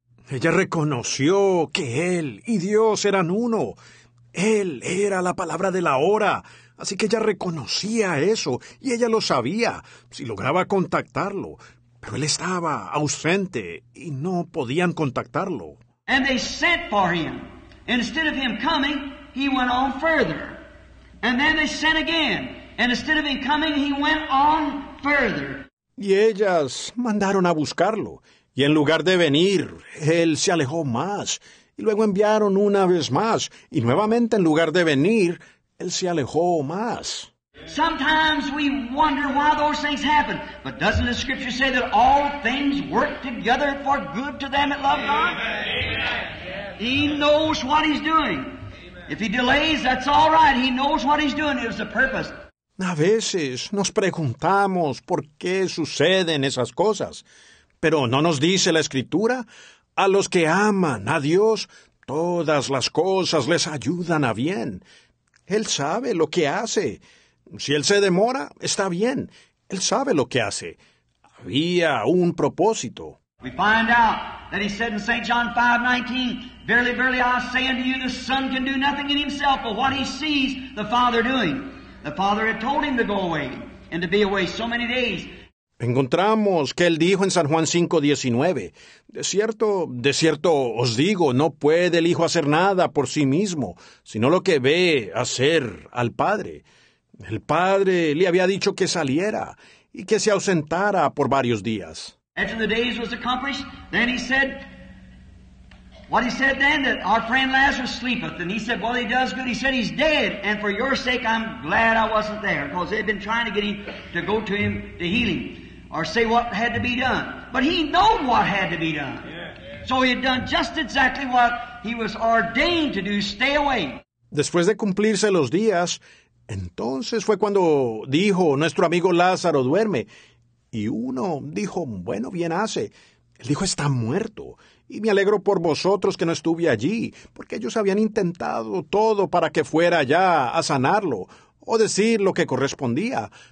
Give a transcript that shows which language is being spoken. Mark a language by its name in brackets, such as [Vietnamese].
[Spanish] Ella reconoció que él y Dios eran uno. Él era la palabra de la hora. Así que ella reconocía eso. Y ella lo sabía, si lograba contactarlo. Pero él estaba ausente y no podían contactarlo. [English] And they sent for him. And instead of him coming, he went on further. And then they sent again. And instead of him coming, he went on further. [Spanish] Y ellas mandaron a buscarlo. Y en lugar de venir, él se alejó más. Y luego enviaron una vez más. Y nuevamente en lugar de venir, él se alejó más. [English] Sometimes we wonder why those things happen. But doesn't the scripture say that all things work together for good to them that love God? Amen. He knows what he's doing. If he delays, that's all right. He knows what he's doing. It was the purpose. [Spanish] A veces nos preguntamos por qué suceden esas cosas, pero ¿no nos dice la Escritura? A los que aman a Dios, todas las cosas les ayudan a bien. Él sabe lo que hace. Si Él se demora, está bien. Él sabe lo que hace. Había un propósito. [English] We find out that he said in St. John 5:19, Verily, verily, I say unto you, the Son can do nothing in himself but what he sees the Father doing. The Father had told him to go away and to be away so many days. [Spanish] Encontramos que él dijo en San Juan 5:19, de cierto os digo, no puede el Hijo hacer nada por sí mismo, sino lo que ve hacer al Padre. El Padre le había dicho que saliera y que se ausentara por varios días. [English] After the days was accomplished, then he said, what he said then, that our friend Lazarus sleepeth. And he said, well, he does good. He said, he's dead. And for your sake, I'm glad I wasn't there. Because they've been trying to get him to go to him to heal him. Or say what had to be done. But he knew what had to be done. Yeah, yeah. So he had done just exactly what he was ordained to do, stay away. [Spanish] Después de cumplirse los días, entonces fue cuando dijo, nuestro amigo Lázaro duerme. Y uno dijo, bueno, bien hace. Él dijo, está muerto. Y me alegro por vosotros que no estuve allí, porque ellos habían intentado todo para que fuera allá a sanarlo o decir lo que correspondía.